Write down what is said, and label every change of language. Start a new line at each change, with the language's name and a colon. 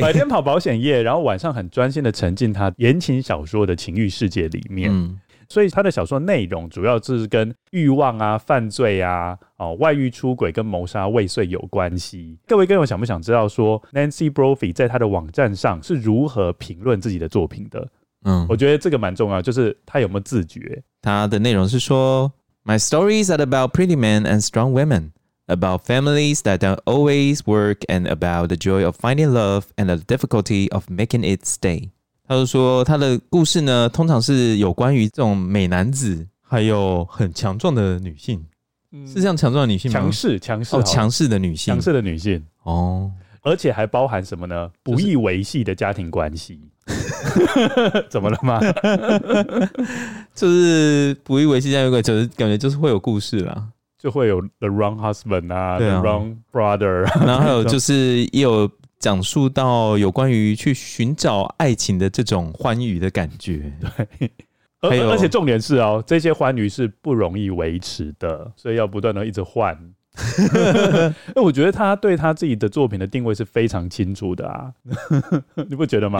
Chinese: 白天跑保险业，然后晚上很专心的沉浸她言情小说的情欲世界里面。嗯，所以她的小说内容主要是跟欲望啊、犯罪啊、哦、外遇、出轨跟谋杀未遂有关系。各位跟我想不想知道说 Nancy Brophy 在她的网站上是如何评论自己的作品的？嗯，我觉得这个蛮重要，就是她有没有自觉。她的内容是说
English: My stories are about pretty men and strong women, about families that don't always work, and about the joy of finding love and the difficulty of making it stay。
Chinese: 他就说他的故事呢，通常是有关于这种美男子还有很强壮的女性、嗯、是这样强壮的女性吗？强势，强势，哦，强势的女性，强势的女性，哦，而且还包含什么呢？不易维系的家庭关系、就是、怎么了吗？就是不易维系家庭关系，就是感觉就是会有故事啦，就会有 the wrong husband 啊， the wrong brother，然后还有就是也有讲述到有关于去寻找爱情的这种欢愉的感觉。对，而且重点是哦，这些欢愉是不容易维持的，所以要不断的一直换我觉得他对他自己的作品的定位是非常清楚的啊，你不觉得吗？